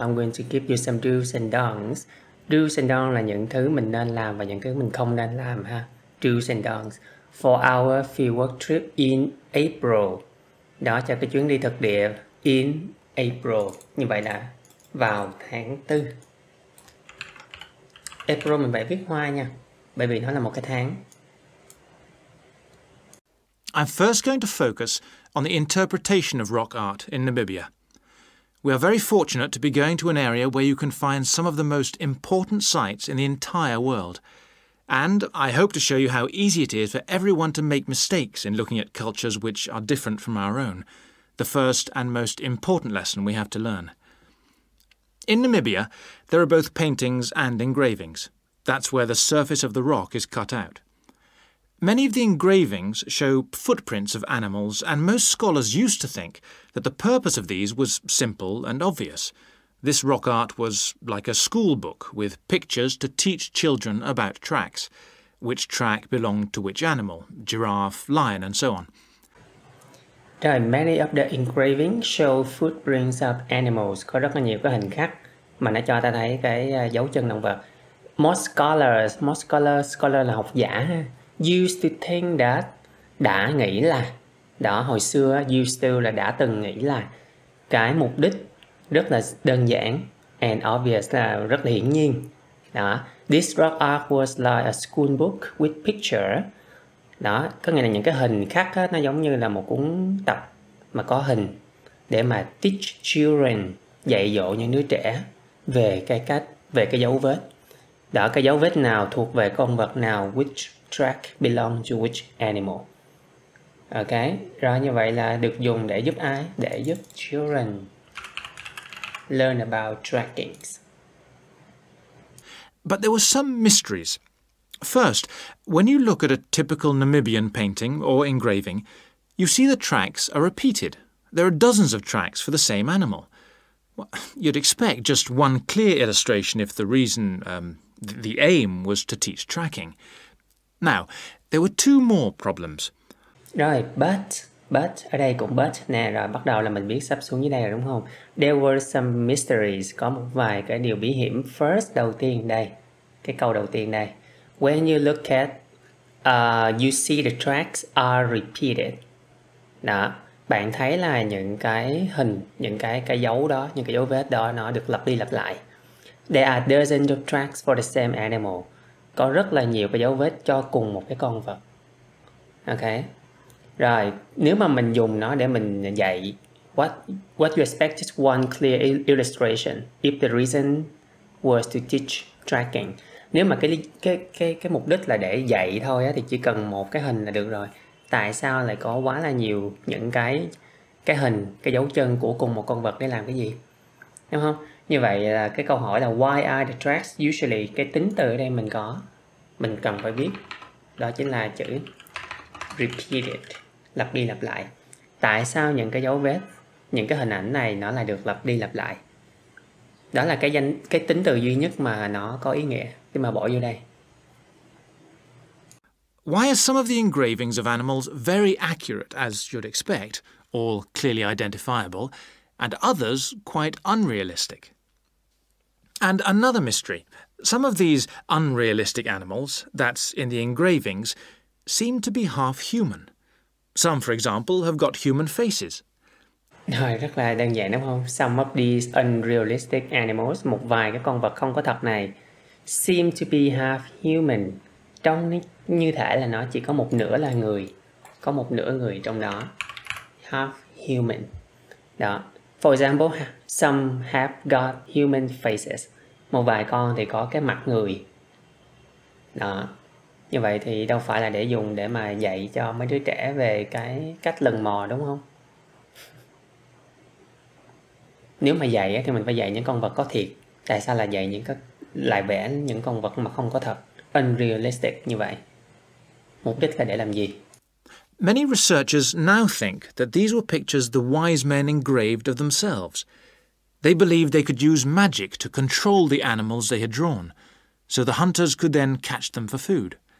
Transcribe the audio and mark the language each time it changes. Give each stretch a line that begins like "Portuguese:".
English: I'm going to give you some do's and don'ts. Do's and don'ts
Vietnamese: là những thứ mình nên làm và những thứ mình không nên làm ha.
English: Do's and don'ts for our fieldwork trip in April.
Vietnamese: Đó cho cái chuyến đi thực địa
English: in April,
Vietnamese: như vậy là vào tháng 4. April mình phải viết hoa nha, bởi vì nó là một cái tháng.
English: I'm first going to focus on the interpretation of rock art in Namibia. We are very fortunate to be going to an area where you can find some of the most important sites in the entire world. And I hope to show you how easy it is for everyone to make mistakes in looking at cultures which are different from our own. The first and most important lesson we have to learn. In Namibia, there are both paintings and engravings. That's where the surface of the rock is cut out. Many of the engravings show footprints of animals, and most scholars used to think that the purpose of these was simple and obvious. This rock art was like a schoolbook with pictures to teach children about tracks, which track belonged to which animal, giraffe, lion, and so on. Rồi, many of the engravings show footprints of animals.
Vietnamese: Có rất là nhiều cái hình khắc mà nó cho ta thấy cái dấu chân động vật.
English: Most scholars
Vietnamese: là học giả ha.
English: Used to think that,
Vietnamese: đã nghĩ là, đó hồi xưa
English: used to
Vietnamese: là đã từng nghĩ là cái mục đích rất là đơn giản
English: and obvious
Vietnamese: là rất là hiển nhiên.
English: Đó, this rock art was like a school book with picture.
Vietnamese: Đó, có nghĩa là những cái hình khắc á, nó giống như là một cuốn tập mà có hình để mà
English: teach children,
Vietnamese: dạy dỗ những đứa trẻ về cái cách, về cái dấu vết. Đó, cái dấu vết nào thuộc về con vật nào?
English: Which track belongs to which animal?
Vietnamese: Ok, rồi như vậy là được dùng để giúp ai? Để giúp
English: children learn about trackings. But there were some mysteries. First, when you look at a typical Namibian painting or engraving, you see the tracks are repeated. There are dozens of tracks for the same animal. Well, you'd expect just one clear illustration if the reason, the aim was to teach tracking. Now, there were two more problems.
Vietnamese: Rồi, but, ở đây cũng but nè, rồi bắt đầu là mình biết sắp xuống dưới đây rồi đúng không?
English: There were some mysteries,
Vietnamese: có một vài cái điều bí hiểm. First, đầu tiên đây, cái câu đầu tiên đây.
English: When you look at, you see the tracks are repeated.
Vietnamese: Đó, bạn thấy là những cái hình, những cái dấu đó, những cái dấu vết đó nó được lặp đi lặp lại.
English: There are dozens of tracks for the same animal.
Vietnamese: Có rất là nhiều cái dấu vết cho cùng một cái con vật.
English: Ok.
Vietnamese: Rồi, nếu mà mình dùng nó để mình dạy,
English: what you expect is one clear illustration if the reason was to teach tracking.
Vietnamese: Nếu mà cái mục đích là để dạy thôi á, thì chỉ cần một cái hình là được rồi. Tại sao lại có quá là nhiều những cái hình, cái dấu chân của cùng một con vật để làm cái gì? Đúng không? Như vậy là cái câu hỏi là
English: why are the tracks usually,
Vietnamese: cái tính từ ở đây mình có, mình cần phải biết. Đó chính là chữ repeated, lặp đi lặp lại. Tại sao những cái dấu vết, những cái hình ảnh này nó lại được lặp đi lặp lại? Đó là cái tính từ duy nhất mà nó có ý nghĩa, khi mà bỏ vô đây.
English: Why are some of the engravings of animals very accurate, as you'd expect, all clearly identifiable, and others quite unrealistic? And another mystery. Some of these unrealistic animals, that's in the engravings, seem to be half human. Some, for example, have got human faces.
Vietnamese: Rồi, rất là đơn giản đúng không?
English: Some of these unrealistic animals,
Vietnamese: một vài cái con vật không có thật này,
English: seem to be half human.
Vietnamese: Trông như thể là nó chỉ có một nửa là người. Có một nửa người trong đó.
English: Half human.
Vietnamese: Đó.
English: For example, some have got human faces.
Vietnamese: Một vài con thì có cái mặt người. Đó. Như vậy thì đâu phải là để dùng để mà dạy cho mấy đứa trẻ về cái cách lần mò đúng không? Nếu mà dạy thì mình phải dạy những con vật có thiệt. Tại sao là dạy những cái lại vẽ những con vật mà không có thật? Unrealistic như vậy. Mục đích là để làm gì?
English: Many researchers now think that these were pictures the wise men engraved of themselves. They believed they could use magic to control the animals they had drawn, so the hunters could then catch them for food.